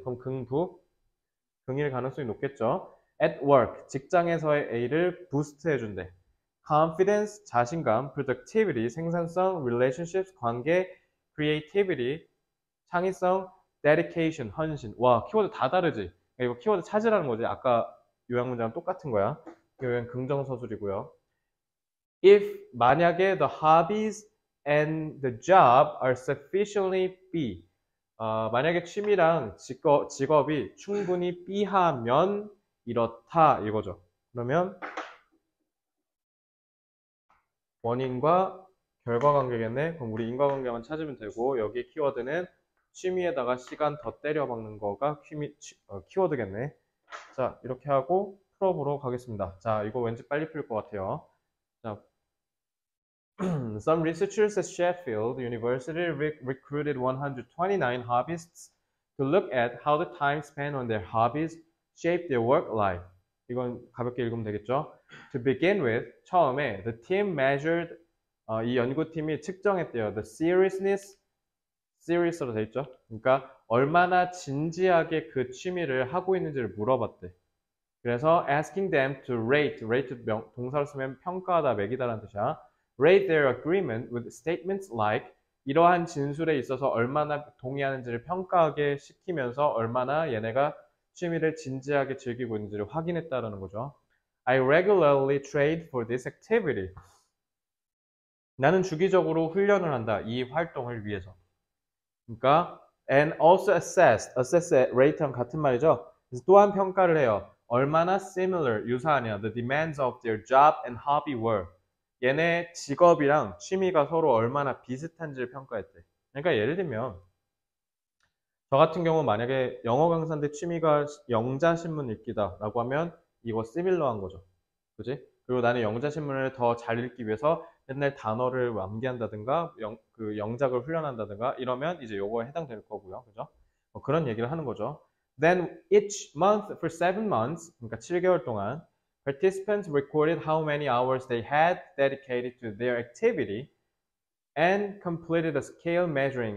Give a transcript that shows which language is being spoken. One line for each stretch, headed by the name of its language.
Korean: 그럼 긍부? 긍일 가능성이 높겠죠.
English: At work,
Korean: 직장에서의 A를 부스트해준대. Confidence, 자신감, productivity, 생산성, relationships, 관계, creativity, 창의성, dedication, 헌신. 와, 키워드 다 다르지? 이거 키워드 찾으라는 거지. 아까 요약 문장 똑같은 거야. 이건 긍정 서술이고요.
English: If,
Korean: 만약에
English: the hobbies and the job are sufficiently B.
Korean: 만약에 취미랑 직업이 충분히 B하면 이렇다. 이거죠. 그러면 원인과 결과 관계겠네. 그럼 우리 인과관계만 찾으면 되고, 여기 키워드는 취미에다가 시간 더 때려 박는 거가 키워드겠네. 자, 이렇게 하고 풀어보러 가겠습니다. 자, 이거 왠지 빨리 풀것 같아요.
English: Some researchers at Sheffield University recruited 129 hobbyists to look at how the time spent on their hobbies shaped their work life.
Korean: 이건 가볍게 읽으면 되겠죠?
English: To begin with,
Korean: 처음에
English: the team measured
Korean: 이 연구팀이 측정했대요.
English: The serious
Korean: 로 돼 있죠? 그러니까 얼마나 진지하게 그 취미를 하고 있는지를 물어봤대. 그래서
English: asking them to rate
Korean: 동사로 쓰면 평가하다, 매기다라는 뜻이야.
English: Rate their agreement with statements like
Korean: 이러한 진술에 있어서 얼마나 동의하는지를 평가하게 시키면서 얼마나 얘네가 취미를 진지하게 즐기고 있는지를 확인했다라는 거죠.
English: I regularly trade for this activity.
Korean: 나는 주기적으로 훈련을 한다, 이 활동을 위해서. 그러니까
English: and also assess,
Korean: rate랑 같은 말이죠. 그래서 또한 평가를 해요. 얼마나 similar, 유사하냐.
English: The demands of their job and hobby were.
Korean: 얘네 직업이랑 취미가 서로 얼마나 비슷한지를 평가했대. 그러니까 예를 들면 저 같은 경우 만약에 영어 강사인데 취미가 영자신문 읽기다라고 하면 이거 시밀러한 거죠. 그지? 그리고 나는 영자신문을 더잘 읽기 위해서 맨날 단어를 암기한다든가 영작을 훈련한다든가 이러면 이제 요거에 해당될 거고요. 그죠? 뭐 그런 얘기를 하는 거죠.
English: Then each month for 7 months,
Korean: 그러니까 7개월 동안
English: Participants recorded how many hours they had dedicated to their activity and completed a scale measuring.